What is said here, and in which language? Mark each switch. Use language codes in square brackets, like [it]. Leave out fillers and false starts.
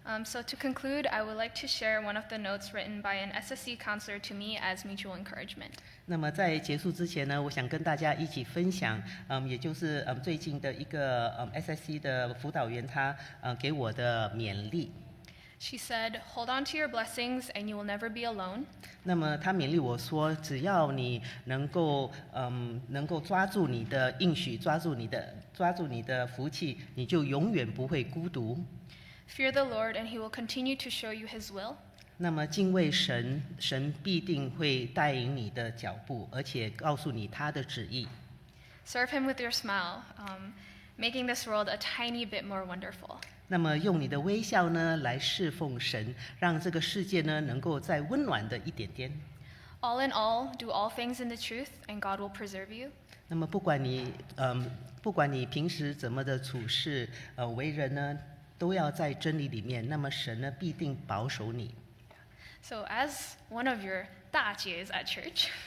[en] So to conclude, I would like to share one of the notes written by an SSC counselor to me as mutual encouragement. [zh] 那么在结束之前呢, 我想跟大家一起分享, 也就是, 最近的一个, SSC的辅导员, 他, 给我的勉励。 [en] She said, hold on to your blessings and you will never be alone. [zh] 那么她勉励我说, 只要你能够, 能够抓住你的应许, 抓住你的福气, 你就永远不会孤独。 [en] Fear the Lord and he will continue to show you his will. [zh] 那么敬畏神, 神必定会带领你的脚步, 而且告诉你他的旨意。 [en] Serve him with your smile, making this world a tiny bit more wonderful. [zh] 那么用你的微笑呢, 来侍奉神, 让这个世界呢, 能够再温暖的一点点。 [en] All in all, do all things in the truth, and God will preserve you. [zh] 那么不管你, 不管你平时怎么的处事, 为人呢, 都要在真理里面, 那么神呢, 必定保守你。 [en] So as one of your 大姐s at church,